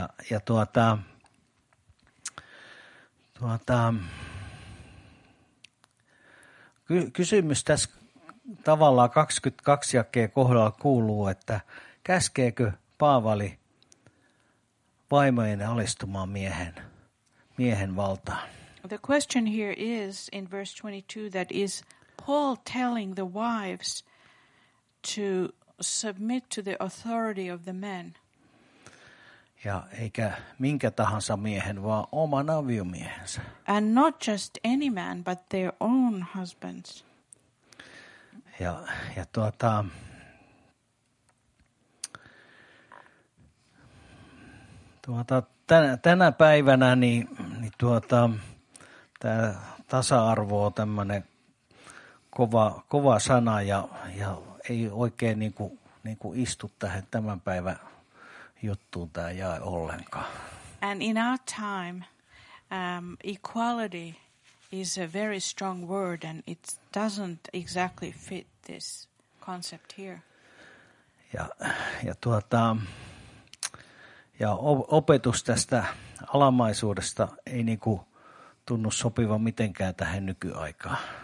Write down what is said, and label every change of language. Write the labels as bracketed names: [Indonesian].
[Finnish] Ja tuota kysymys tässä tavallaan 22 jakeen kohdalla kuuluu, että käskeekö Paavali vaimojen alistumaan miehen valtaan? [English] The question here is in verse 22 that is Paul telling the wives to submit to the authority of the men. [Finnish] Ja eikä minkä tahansa miehen, vaan oman aviomiehensä. [English] And not just any man, but their own husbands. [Finnish] Ja tuota, tänä päivänä niin tuota, tämä tasa-arvo on tämmöinen kova sana ja ei oikein niinku istu tähän tämän päivän juttuun tämä jae ollenkaan. [English] And in our time, equality is a very strong word and it doesn't exactly fit this concept here. [Finnish] Ja tuota, ja opetus tästä alamaisuudesta ei niinku tunnu sopivan mitenkään tähän nykyaikaan.